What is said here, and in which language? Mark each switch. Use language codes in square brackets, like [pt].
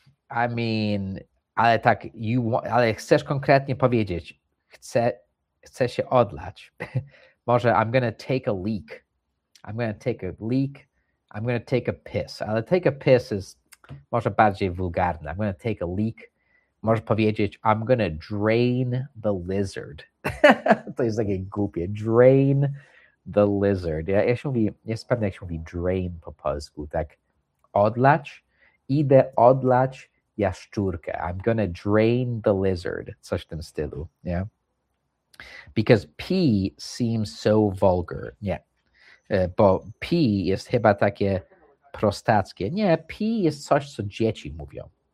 [en] I mean, [pl] ale tak, ale chcesz konkretnie powiedzieć, chcę się odlać. [en] Może I'm going to take a leak. I'm going to take a leak. I'm going to take a piss. [pl] Ale [en] take a piss is [pl] może bardziej wulgarne. [en] I'm going to take a leak. Może powiedzieć, I'm going to drain the lizard. [pl] To jest takie głupie. [en] Drain the lizard. [pl] Ja się mówi, jest pewnie, jak się mówi drain po polsku. Tak, odlać. Idę odlać jaszczurkę. [en] I'm going to drain the lizard. [pl] Coś w tym stylu. [en] Yeah. Because pee seems so vulgar. [pl] Nie. Bo pee jest chyba takie prostackie. Nie, pee jest coś, co dzieci mówią.